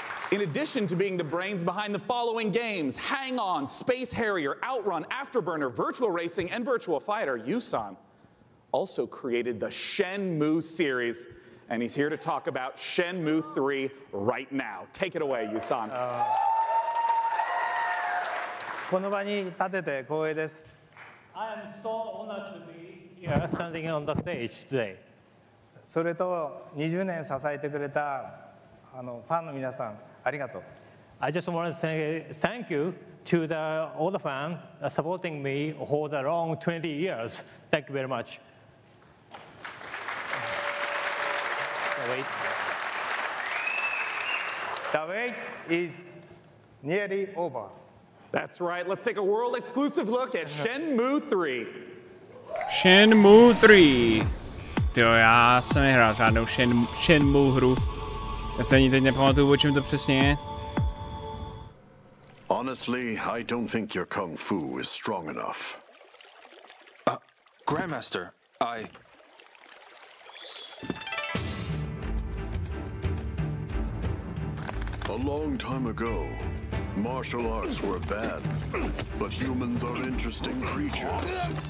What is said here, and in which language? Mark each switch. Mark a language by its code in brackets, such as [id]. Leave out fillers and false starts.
[en] In addition to being the brains behind the following games, Hang On, Space Harrier, Outrun, Afterburner, Virtual Racing, and Virtual Fighter, Yu-san also created the Shenmue series. and he's here to talk about Shenmue 3 right now. Take it away, Yusan. [ja] この場に立てて光栄です。 [en] I am so honored to be here standing on the stage today. [ja] それと20年支えてくれたあのファンの皆さん、ありがとう。 [en] I just want to say thank you to the, all the fans supporting me for the long 20 years. Thank you very much. The wait is nearly over. That's right. Let's take a world exclusive look at Shenmue 3. Shenmue 3. [cs] Tyjo, já jsem nehrál žádnou Shenmue hru. Já se ani teď nepamatuju, o čem to přesně je. [en] Honestly, I don't think your kung fu is strong enough. Grandmaster, I... A long time ago, martial arts were bad, but humans are interesting creatures.